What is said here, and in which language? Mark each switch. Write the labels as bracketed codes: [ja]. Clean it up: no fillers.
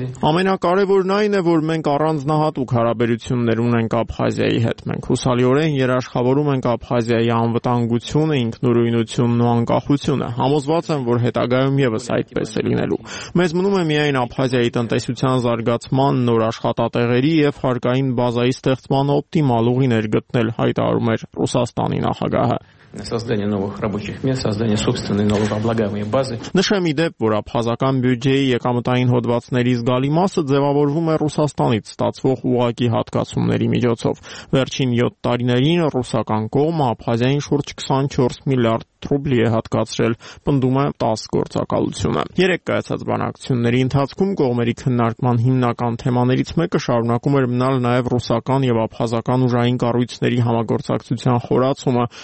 [hy] Ամենակարևորն այն է, որ մենք առանձնահատուկ հարաբերություններ ունենք Աբխազիայի հետ։ Մենք հուսալիորեն երաշխավորում ենք Աբխազիայի անվտանգությունը, ինքնուրույնությունն ու անկախությունը։ Համոզված եմ, որ հետագայում ևս այդպես է լինելու։ Մեզ մնում է միայն Աբխազիայի տնտեսության զարգացման, նոր աշխատատեղերի և հարկային բազայի ստեղծման օպտիմալ ուղիներ գտնել, հայտարարում էր Ռուսաստանի նախագահը։ [ru] Создание новых рабочих мест, создание собственной новооблагаемой базы. [hy] Նշեմ ի դեպ, որ Աբխազական բյուջեի եկամտային հոդվածների զգալի մասը ձևավորվում է Ռուսաստանից ստացվող ուղակի հատկացումների միջոցով։ Վերջին 7 տարիներին ռուսական կողմը Աբխազիային շուրջ 24 միլիարդ ռուբլի է հատկացրել, պնդում է 10 գործակալությունը։ Երեկ կայացած բանակցությունների ընթացքում կողմերի քննարկման հիմնական թեմաներից մեկը շարունակում էր մնալ նաև ռուսական և աբխազական ուժային կառույցների համագործակցության խորացումը,